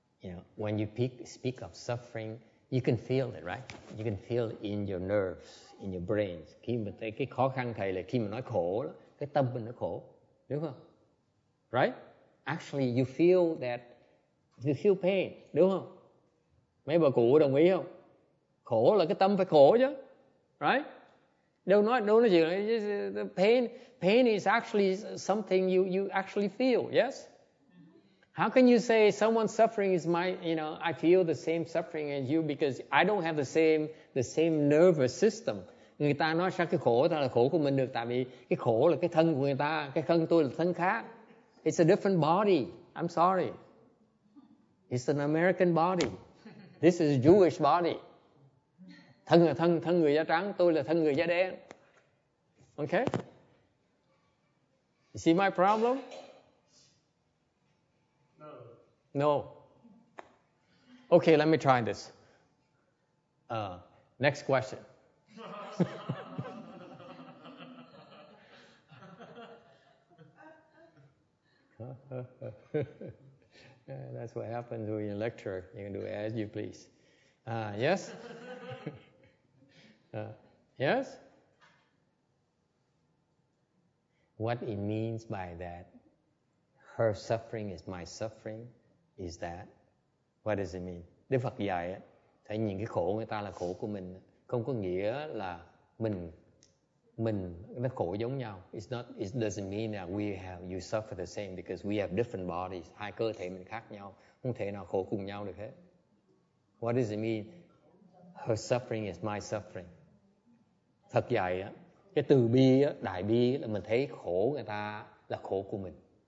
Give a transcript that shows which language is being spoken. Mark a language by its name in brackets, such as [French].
[English] You know, when you speak of suffering, you can feel it, right? You can feel it in your nerves, in your brains. [Vietnamese] Khi mà thấy cái khó khăn thầy là khi mà nói khổ, cái tâm mình nó khổ. Đúng không? [English] Right? Actually, you feel that, you feel pain. [Vietnamese] Đúng không? Mấy bà cụ đồng ý không? Khổ là cái tâm phải khổ chứ. [English] Right? [Vietnamese] Đâu nói gì. [English] The pain is actually something you actually feel. Yes? How can you say someone's suffering is my, you know, I feel the same suffering as you because I don't have the same nervous system. [Vietnamese] Người ta nói sao cái khổ ta là khổ của mình được, tại vì cái khổ là cái thân của người ta, cái thân tôi là thân khác. [English] It's a different body. I'm sorry. It's an American body. This is a Jewish body. [Vietnamese] Thân là thân, thân người da trắng, tôi là thân người da đen. [English] Okay? You see my problem? No. No. Okay, let me try this. Next question. That's what happens when you lecture. You can do it as you please. Yes? Yes? What it means by that, her suffering is my suffering, is that? What does it mean? [Vietnamese] Đức Phật dạy, thấy nhìn cái khổ người ta là khổ của mình, không có nghĩa là mình nó khổ giống nhau. [English] It's not, it doesn't mean that we have, you suffer the same because we have different bodies. [Vietnamese] Hai cơ thể mình khác nhau, không thể nào khổ cùng nhau được hết. [English] What does it mean? Her suffering is my suffering. [Vietnamese] Phật dạy á, cái từ bi á, đại bi á, là mình thấy khổ người ta là khổ của mình.